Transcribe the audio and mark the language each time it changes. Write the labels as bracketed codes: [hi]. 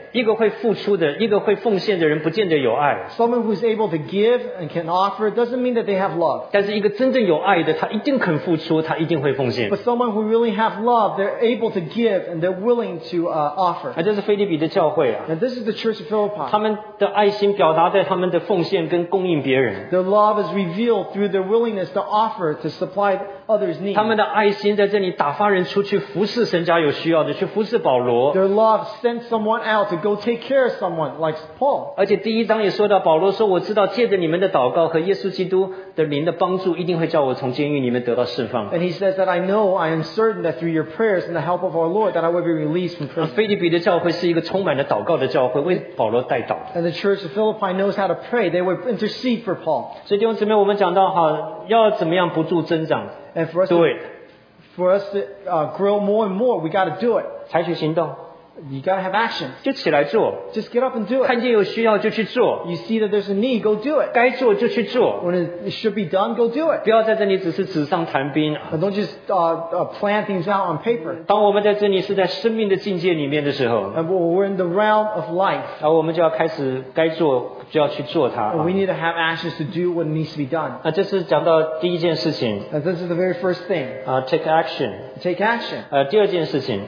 [zh] 一个会付出的，一个会奉献的人，不见得有爱。 [en] Someone who's able to give and can offer doesn't mean that they have love. [zh] 但是一个真正有爱的，他一定肯付出，他一定会奉献。 [en] But someone who really have love, they're able to give and they're willing to offer. [zh] 这是腓立比的教会啊。 [en] And this is the church of Philippi. [zh] 他们的爱心表达在他们的奉献跟供应别人。 [en] Their love is revealed through their willingness to offer to supply others' needs. [zh] 他们的爱心在这里打发人出去服侍神家有需要的，去服侍保罗。 [en] Their love sent someone out to go take care of someone like Paul. [zh] 而且第一章也说到，保罗说：“我知道借着你们的祷告和耶稣基督的灵的帮助，一定会叫我从监狱里面得到释放。” [en] And he says that I know, I am certain that through your prayers and the help of our Lord, that I will be released from prison. [zh] 腓立比的教会是一个充满了祷告的教会，为保罗代祷。 [en] And the church of Philippi knows how to pray. They would intercede for Paul. [zh] 所以弟兄姊妹，我们讲到哈，要怎么样不住增长 [en] ？And for us, do it. For us to grow more and more, we got to do it. [zh] 采取行动。 [en] You gotta have action. [zh] 就起来做。 [en] Just get up and do it. [zh] 看见有需要就去做。 [en] You see that there's a need, go do it. [zh] 该做就去做。 [en] When it should be done, go do it. [zh] 不要在这里只是纸上谈兵。 [en] But don't just plan things out on paper. [zh] 当我们在这里是在生命的境界里面的时候。 [en] And we're in the realm of life. [zh] 然后我们就要开始该做。就要去做它。 [en] We need to have actions to do what needs to be done. [zh] 这是讲到第一件事情。 [en] This is the very first thing. Take action. Take action. [zh] 第二件事情。